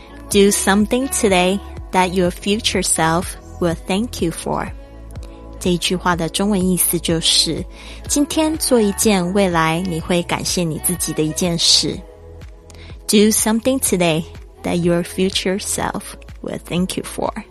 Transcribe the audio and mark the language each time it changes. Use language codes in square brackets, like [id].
[en] Do something today that your future self will thank you for. [zh] 这一句话的中文意思就是今天做一件未来你会感谢你自己的一件事。 [en] Do something today that your future self will thank you for.